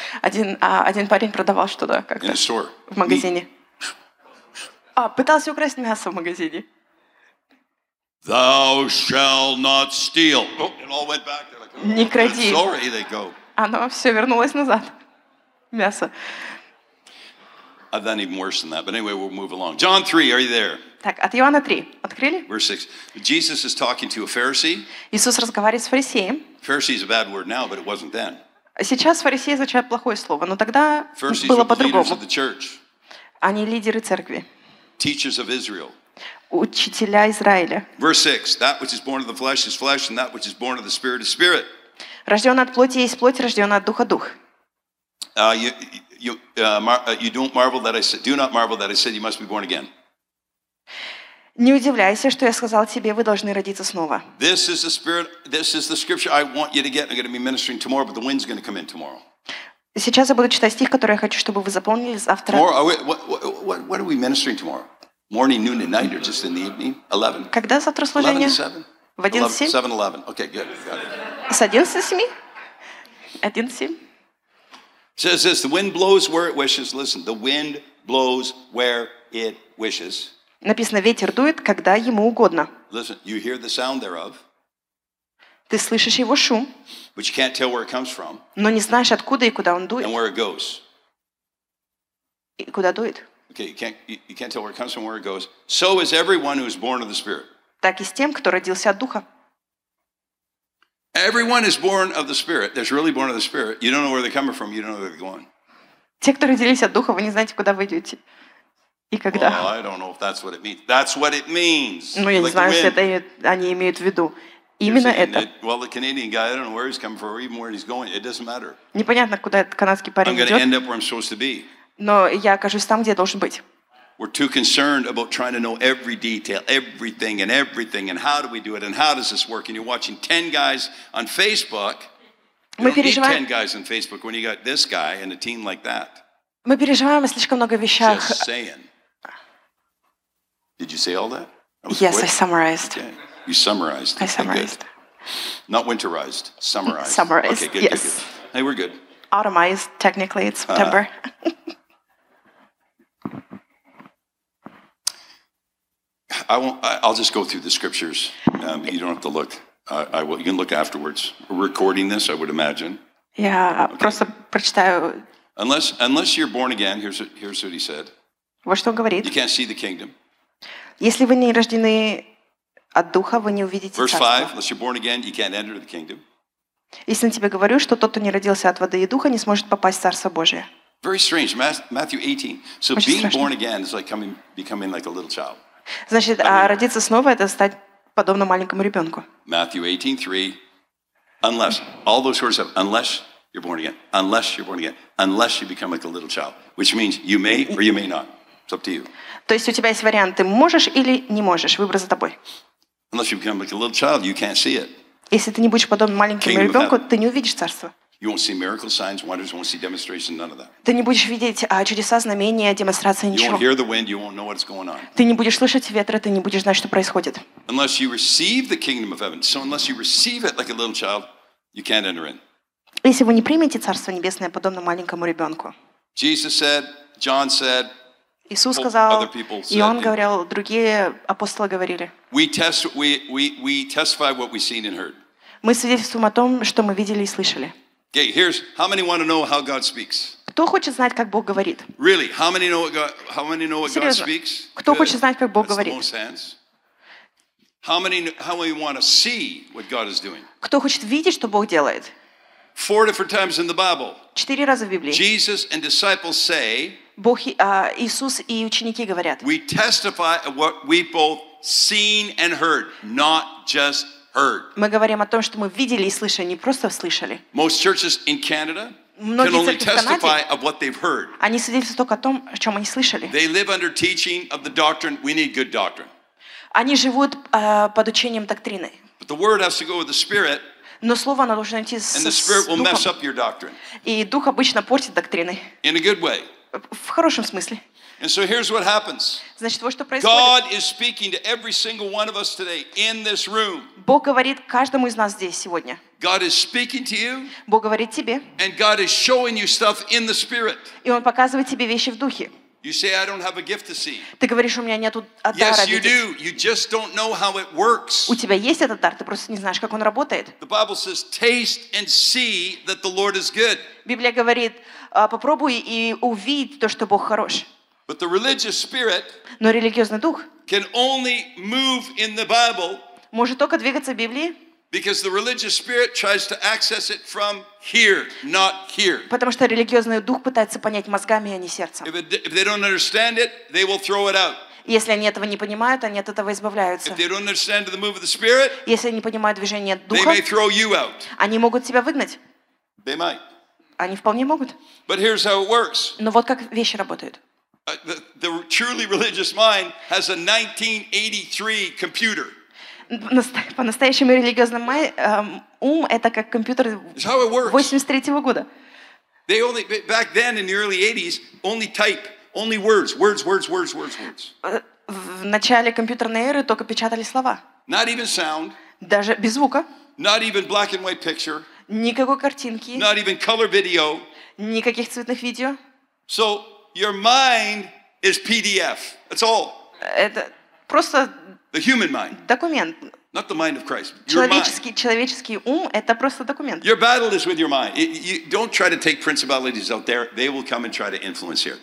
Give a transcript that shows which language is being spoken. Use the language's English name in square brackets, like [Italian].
[Russian] Один парень продавал что-то как-то. [English] In a store. [Russian] В магазине. Пытался украсть мясо в магазине. [English] Thou shall not steal. It all went back. [Russian] Не кради. [English] Sorry, they go. [Russian] Оно все вернулось назад. Мясо. [English] I've done even worse than that, but anyway, we'll move along. John 3, are you there? [Russian] Так, от Иоанна 3. Открыли? [English] Verse 6. Jesus is talking to a Pharisee. [Russian] Иисус разговаривает с фарисеем. [English] Pharisee is a bad word now, but it wasn't then. [Russian] Сейчас фарисей означает плохое слово, но тогда [English] Pharisees [Russian] было по-другому. [English] Leaders of the church. [Russian] Они лидеры церкви. [English] Teachers of Israel. [Russian] Учителя Израиля. [English] Verse 6. That which is born of the flesh is flesh, and that which is born of the spirit is spirit. [Russian] Рождённый от плоти есть плоть, рождённый от духа дух. [English] Do not marvel that I said you must be born again. [Russian] Не удивляйся, что я сказал тебе, вы должны родиться снова. [English] This is the spirit. This is the scripture I want you to get. I'm going to be ministering tomorrow, but the wind's going to come in tomorrow. [Russian] Сейчас я буду читать стих, который я хочу, чтобы вы запомнили завтра. [English] Tomorrow, what are we ministering tomorrow? Morning, noon, and night, or just in the evening? 11. [Russian] Когда завтра служение? [English] 11 to 7. 7-11. Okay, good. [Russian] С 11 до 7? 1 to 7. [English] It says this, the wind blows where it wishes. Listen, the wind blows where it wishes. [Russian] Написано, ветер дует, когда ему угодно. [English] Listen, you hear the sound thereof. [Russian] Ты слышишь его шум. [English] But you can't tell where it comes from. [Russian] Но не знаешь, откуда и куда он дует. [English] And where it goes. [Russian] И куда дует. [English] Okay, you can't tell where it comes from, where it goes. So is everyone who is born of the Spirit. [Russian] Так и с тем, кто родился от Духа. [English] Everyone is born of the Spirit. They're really born of the Spirit. You don't know where they're coming from. You don't know where they're going. [Russian] Те, кто родились от Духа, вы не знаете, куда вы идете и когда. [English] Well, I don't know if that's what it means. That's what it means. [Russian] Ну, я не знаю, что это они имеют в виду. Именно это. [English] Well, the Canadian guy, I don't know where he's coming from or even where he's going. It doesn't matter. [Russian] Непонятно, куда этот канадский парень идет. [English] I'm going to end up where I'm supposed to be. [Russian] Но я окажусь там, где я должен быть. [English] We're too concerned about trying to know every detail, everything, and how do we do it, and how does this work? And you're watching 10 guys on Facebook. [Russian] Мы переживаем. [English] 10 guys on Facebook when you got this guy and a team like that. [Russian] Мы переживаем о слишком много вещах. [English] Just saying. Did you say all that? Yes, quick. I summarized. Okay. You summarized. I summarized. Okay, not winterized. Summarized. Summarized. Okay, good, yes. Good. Hey, we're good. Autumnized. Technically, it's September. I'll just go through the scriptures. You don't have to look. I will. You can look afterwards. We're recording this, I would imagine. Yeah, okay. [Russian] Просто прочитаю. [English] Unless you're born again, here's what he said. [Russian] Вот что он говорит. [English] You can't see the kingdom. [Russian] Если вы не рождены от духа, вы не увидите [English] Verse [Russian] царство. [English] Verse 5, unless you're born again, you can't enter the kingdom. [Russian] Если тебе говорю, что тот, кто не родился от воды и духа, не сможет попасть в Царство Божие. [English] Very strange. Matthew 18. So [Russian] Очень [English] being [Russian] страшно. [English] Born again is like becoming like a little child. [Russian] Значит, а родиться снова – это стать подобно маленькому ребенку. [English] Matthew 18:3. Unless all those words have unless you're born again, unless you're born again, unless you become like a little child, which means you may or you may not. It's up to you. [Russian] То есть у тебя есть вариант: ты можешь или не можешь. Выбор за тобой. [English] Unless you become like a little child, you can't see it. [Russian] Если ты не будешь подобно маленькому ребенку, ты не увидишь царство. [English] You won't see miracle signs, wonders, you won't see demonstration, none of that. [Russian] Ты не будешь видеть чудеса, знамения, демонстрации, ничего. [English] You won't hear the wind, you won't know what's going on. [Russian] Ты не будешь слышать ветра, ты не будешь знать, что происходит. [English] Unless you receive the kingdom of heaven. So unless you receive it like a little child, you can't enter in. [Russian] Если вы не примете Царство Небесное, подобно маленькому ребенку. [English] Jesus said, John said, [Russian] Иисус сказал, и он говорил, другие апостолы говорили. [English] We testify what we've seen and heard. [Russian] Мы свидетельствуем о том, что мы видели и слышали. [English] Okay, here's how many want to know how God speaks. [Russian] Кто хочет знать, как Бог говорит? [English] Really? How many know what God? How many know what [Russian] Серьезно. [English] God speaks? [Russian] Кто [English] Good. [Russian] Хочет знать, как Бог [English] That's [Russian] говорит? [English] The most hands. How many want to see what God is doing? [Russian] Кто хочет видеть, что Бог делает? [English] Four different times in the Bible. [Russian] Четыре раза в Библии. [English] Jesus and disciples say. [Russian] Бог, Иисус и ученики говорят. [English] We testify of what we both seen and heard, not just. [Russian] Мы говорим о том, что мы видели и слышали, не просто слышали. [English] Most churches in Canada can only testify of what they've heard. [Russian] Они свидетельствуют только о том, о чем они слышали. [English] They live under teaching of the doctrine. We need good doctrine. [Russian] Они живут под учением доктрины. [English] But the word has to go with the spirit. [Russian] Но слово оно должно идти с духом. [English] And the spirit will mess up your doctrine. [Russian] И дух обычно портит доктрины. [English] In a good way. [Russian] В хорошем смысле. [English] And so here's what happens. [Russian] Значит, вот что происходит. [English] God is speaking to every single one of us today in this room. [Russian] Бог говорит каждому из нас здесь сегодня. [English] God is speaking to you. [Russian] Бог говорит тебе. [English] And God is showing you stuff in the spirit. [Russian] И он показывает тебе вещи в духе. [English] You say, I don't have a gift to see. [Russian] Ты говоришь, у меня нету дара. [English] Yes, you do. You just don't know how it works. [Russian] У тебя есть этот дар, ты просто не знаешь, как он работает. [English] The Bible says, taste and see that the Lord is good. [Russian] Библия говорит, попробуй и увидь то, что Бог хорош. [English] But the religious spirit [Russian] Но религиозный дух [English] can only move in the Bible [Russian] может только двигаться в Библии. [English] Because the religious spirit tries to access it from here, not here. [Russian] Потому что религиозный дух пытается понять мозгами, а не сердцем. [English] If they don't understand it, they will throw it out. [Russian] Если они этого не понимают, они от этого избавляются. [English] If they don't understand the move of the spirit, [Russian] если они не понимают движение духа, [English] they may throw you out. [Russian] Они могут тебя выгнать. [English] They might. [Russian] Они вполне могут. [English] But here's how it works. [Russian] Но вот как вещи работают. [English] The truly religious mind has a 1983 computer. [Russian] По-настоящему религиозный ум это как компьютер 83-го года. [English] They only back then in the early 80s only type, only words, words, words, words, words, words. [Russian] В начале компьютерной эры только печатали слова. [English] Not even sound. [Russian] Даже без звука. [English] Not even black and white picture. [Russian] Никакой картинки. [English] Not even color video. [Russian] Никаких цветных видео. [English] So your mind is PDF. That's all. [Russian] Это просто [English] The human mind. [Russian] Документ. [English] Not the mind of Christ. [Russian] Человеческий ум — это просто документ. [English] Your battle is with your mind. You don't try to take principalities out there. They will come and try to influence here.